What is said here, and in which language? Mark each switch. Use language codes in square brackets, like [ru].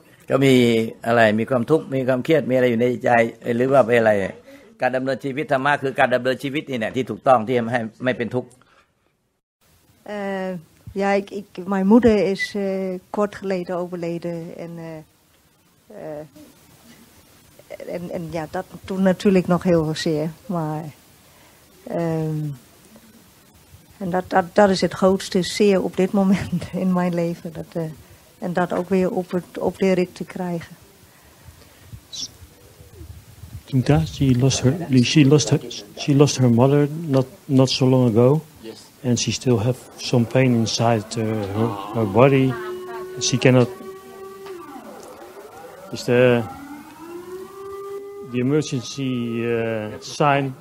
[th] ก็มีอะไรมีความทุกข์มีความเครียดมีอะไรอยู่ในใจหรือว่าเป็นอะไรการดำเนินชีวิตธรรมะคือการดำเนินชีวิตนี่แหละที่ถูกต้องที่ทำให้ไม่เป็นทุกข์ [nl] ja ik mijn moeder is kort geleden overleden en en ja dat toen natuurlijk nog heel zeer maar en dat is het grootste zeer op dit moment in mijn leven dat en dat ook weer op het op de rit te krijgen [en] Tinka, she lost her mother not so long ago. And she still have some pain inside her body. She cannot. Is the emergency sign?